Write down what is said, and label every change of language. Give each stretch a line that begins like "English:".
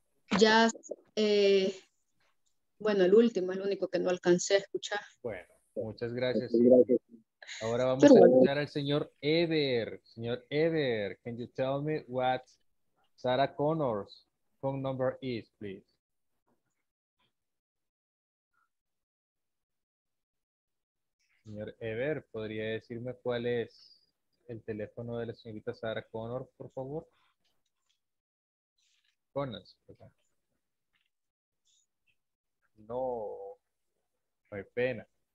Spanish: Just, bueno, el último, el único que no alcancé a escuchar. Bueno, muchas gracias. Gracias. Ahora vamos pero a escuchar bueno al señor Eder.
English: Señor Eder, can you tell me what Sarah Connor's phone number is, please?
Spanish: Señor Eder, ¿podría decirme cuál es el teléfono de la señorita Sarah Connor, por favor? Conas, no, no hay pena.